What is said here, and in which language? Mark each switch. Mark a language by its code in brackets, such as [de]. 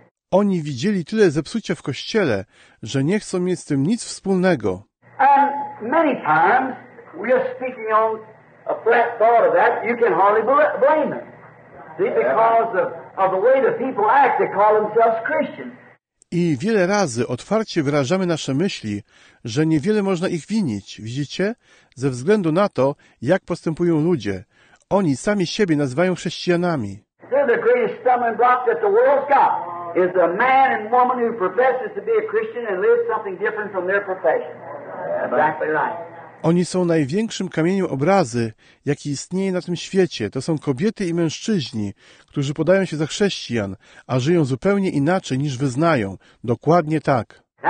[pl] Oni widzieli tyle zepsucia w kościele, że nie chcą mieć z tym nic wspólnego. [en] And many times we are speaking on a flat thought of that, you can hardly blame them. See, because of the way the people act, they call themselves Christians. [pl] I wiele razy otwarcie wyrażamy nasze myśli, że niewiele można ich winić, widzicie? Ze względu na to, jak postępują ludzie. Oni sami siebie nazywają chrześcijanami. [en] See, the greatest stumbling block that the world's got is a man and woman who professes to be a Christian and lives something different from their profession. Exactly right. [pl] Oni są największym kamieniem obrazy, jaki istnieje na tym świecie. To są kobiety i mężczyźni, którzy podają się za chrześcijan, a żyją zupełnie inaczej niż wyznają. Dokładnie tak.